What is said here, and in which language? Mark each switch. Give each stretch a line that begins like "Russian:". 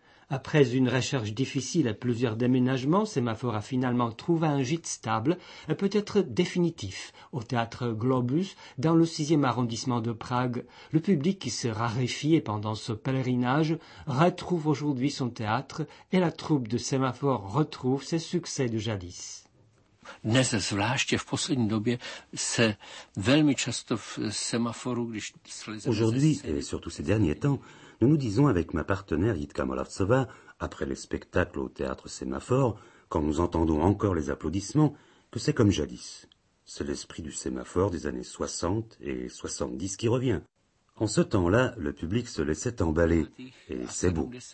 French: Après une recherche difficile et plusieurs déménagements, Sémaphore a finalement trouvé un gîte stable, et peut-être définitif, au théâtre Globus, dans le 6e arrondissement de Prague. Le public qui se raréfie pendant ce pèlerinage retrouve aujourd'hui son théâtre et la troupe de Sémaphore retrouve ses succès de jadis.
Czech: Dnes zvláště v poslední době se velmi často v Semaforu, když slezeme...
French: Aujourd'hui, et surtout ces derniers temps, nous nous disons avec ma partenaire Jitka Moravtsova, après les spectacles au théâtre Sémaphore, quand nous entendons encore les applaudissements, que c'est comme jadis. C'est l'esprit du Sémaphore des années 60 et 70 qui revient. En ce temps-là, le public se laissait emballer, et c'est beau.